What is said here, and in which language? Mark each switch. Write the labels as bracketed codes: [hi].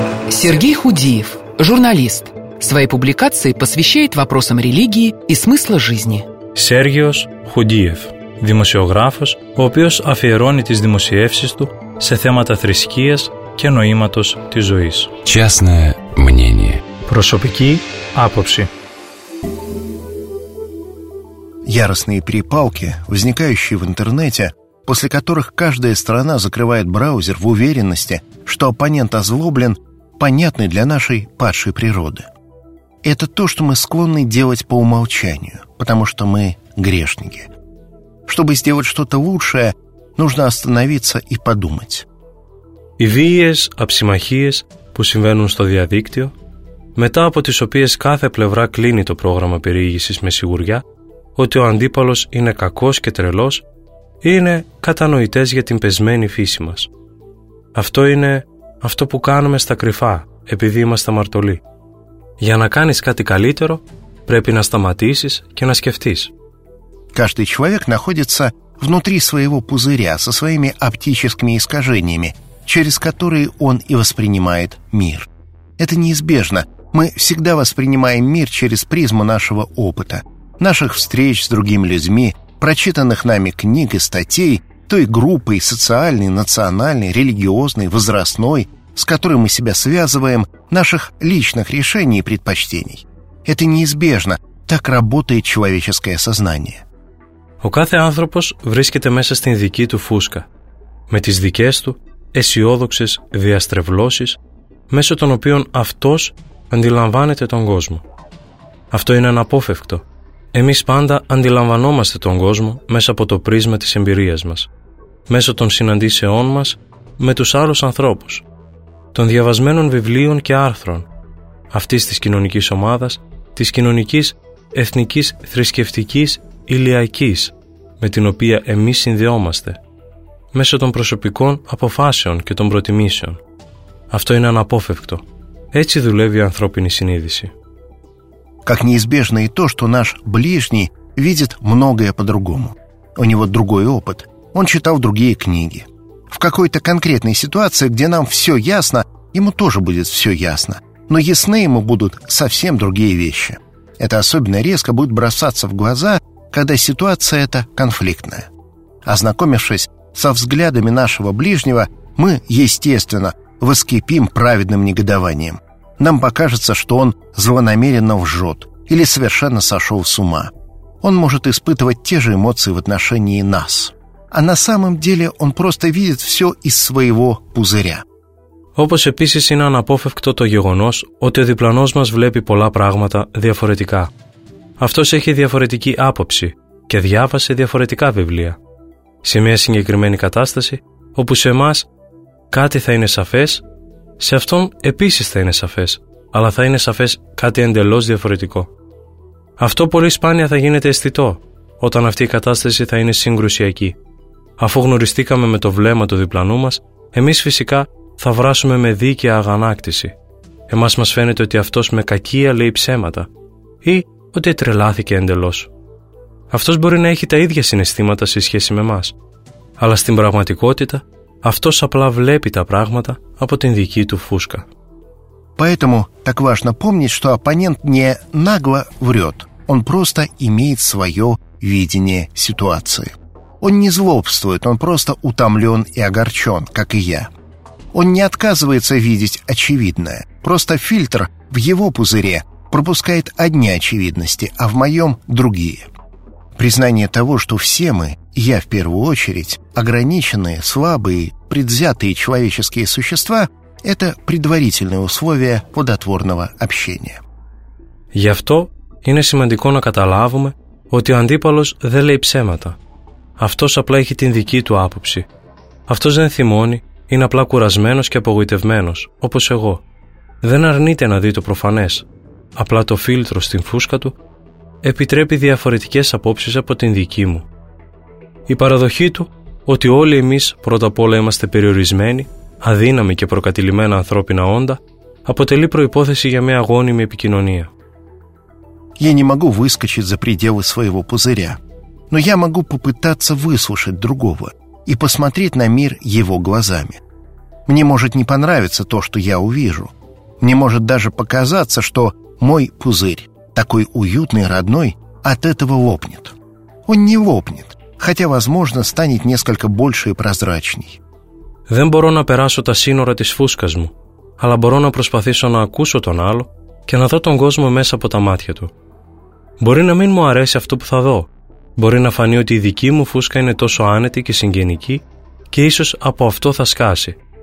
[ru] Сергей Худиев, журналист. Свои публикации посвящает вопросам религии и смысла жизни. [el] Сергиос Худиев, демосиографос, ο οποίος αφιερώνει τις δημοσιεύσεις του σε θέματα θρησκείας και νοήματος της ζωής. [ru] Частное мнение. [el] Προσωπική άποψη. [ru] Яростные перепалки, возникающие в интернете, после которых каждая страна закрывает браузер в уверенности, что оппонент озлоблен, понятны для нашей падшей природы. Это то, что мы склонны делать по умолчанию, потому что мы грешники. Чтобы сделать что-то лучшее, нужно остановиться и подумать. [el] Οι βίαιες αψιμαχίες που συμβαίνουν στο διαδίκτυο, μετά από τις οποίες κάθε πλευρά κλείνει το πρόγραμμα περιήγησης με σιγουριά, ότι ο αντίπαλος είναι κακός και τρελός, είναι κατανοητές για την πεσμένη φύση μας. Αυτό είναι αυτό που κάνουμε στα κρυφά, επειδή είμαστε αμαρτωλοί. Για να κάνεις κάτι καλύτερο, πρέπει να σταματήσεις και να σκεφτείς. [ru] Каждый человек находится внутри своего пузыря со своими оптическими искажениями, через которые он и воспринимает мир. Это неизбежно. Мы всегда воспринимаем мир через призму нашего опыта, наших встреч с другими людьми, прочитанных нами книг и статей, той группой социальной, национальной, религиозной, возрастной, с которой мы себя связываем, наших личных решений и предпочтений. Это неизбежно, так работает человеческое сознание. [el] Ο κάθε άνθρωπος βρίσκεται μέσα στην δική του φούσκα, με τις δικές του αισιόδοξες διαστρεβλώσεις, μέσω των οποίων αυτός αντιλαμβάνεται τον κόσμο. Αυτό είναι αναπόφευκτο. Εμείς πάντα αντιλαμβανόμαστε τον κόσμο μέσα από το πρίσμα της εμπειρίας μας, μέσω των συναντήσεών μας με τους άλλους ανθρώπους, των διαβασμένων βιβλίων και άρθρων, αυτής της κοινωνικής ομάδας, της κοινωνικής, εθνικής, θρησκευτικής, ηλιακής, με την οποία εμείς συνδεόμαστε, μέσω των προσωπικών αποφάσεων και των προτιμήσεων. Αυτό είναι αναπόφευκτο. Έτσι δουλεύει η ανθρώπινη συνείδηση. [ru] Как неизбежно и то, что наш ближний видит многое по-другому. У него другой опыт. Он читал другие книги. В какой-то конкретной ситуации, где нам все ясно, ему тоже будет все ясно. Но ясны ему будут совсем другие вещи. Это особенно резко будет бросаться в глаза, когда ситуация эта конфликтная. Ознакомившись со взглядами нашего ближнего, мы, естественно, воскипим праведным негодованием. Нам покажется, что он злонамеренно вжет или совершенно сошел с ума. Он может испытывать те же эмоции в отношении нас. А на самом деле он просто видит все из своего пузыря. [el] Όπως επίσης είναι αναπόφευκτο το γεγονός ότι ο διπλανός μας βλέπει πολλά πράγματα διαφορετικά. Αυτός έχει διαφορετική άποψη και διάβασε διαφορετικά βιβλία. Σε μια συγκεκριμένη κατάσταση, όπου σε εμάς κάτι θα είναι σαφές, σε αυτόν επίσης θα είναι σαφές, αλλά θα είναι σαφές κάτι εντελώς διαφορετικό. Αυτό πολύ σπάνια θα γίνεται αισθητό όταν αυτή η κατάσταση θα είναι συγκρουσιακή. Αφού γνωριστήκαμε με το βλέμμα του διπλανού μας, εμείς φυσικά θα βράσουμε με δίκαια αγανάκτηση. Εμάς μας φαίνεται ότι αυτός με κακία λέει ψέματα ή ότι τρελάθηκε εντελώς. Αυτός μπορεί να έχει τα ίδια συναισθήματα σε σχέση με εμάς, αλλά στην πραγματικότητα αυτός απλά βλέπει τα πράγματα από την δική του φούσκα. [ru] Поэтому так важно помнить, что оппонент не нагло врет. Он просто имеет свое видение ситуации. Он не злобствует, он просто утомлен и огорчен, как и я. Он не отказывается видеть очевидное. Просто фильтр в его пузыре пропускает одни очевидности, а в моем – другие. Признание того, что все мы, я в первую очередь, ограниченные, слабые, предвзятые человеческие существа – это предварительное условие плодотворного общения. [el] Γι' αυτό είναι σημαντικό να καταλάβουμε ότι ο αντίπαλος δεν λέει ψέματα. Αυτός απλά έχει την δική του άποψη. Αυτός δεν θυμώνει, είναι απλά κουρασμένος και απογοητευμένος, όπως εγώ. Δεν αρνείται να δει το προφανές. Απλά το φίλτρο στην φούσκα του επιτρέπει διαφορετικές απόψεις από την δική μου. Η παραδοχή του ότι όλοι εμείς πρώτα απ' όλα είμαστε περιορισμένοι, αδύναμη και προκατηλημένα ανθρώπινα όντα, αποτελεί προϋπόθεση για μια γόνιμη επικοινωνία. [ru] Я не могу выскочить за пределы своего пузыря, но я могу попытаться выслушать другого и посмотреть на мир его глазами. Мне может не понравиться то, что я увижу. Мне может даже показаться, что мой пузырь, такой уютный, родной, от этого лопнет. Он не лопнет, хотя, возможно, станет несколько больше и прозрачней. [el] Δεν μπορώ να περάσω τα σύνορα της φούσκας μου, αλλά μπορώ να προσπαθήσω να ακούσω τον άλλο και να δω τον κόσμο μέσα από τα μάτια του. Μπορεί να μην μου αρέσει αυτό που θα δω. Μπορεί να φανεί ότι η δική μου φούσκα είναι τόσο άνετη και συγγενική και ίσως από αυτό θα σκάσει.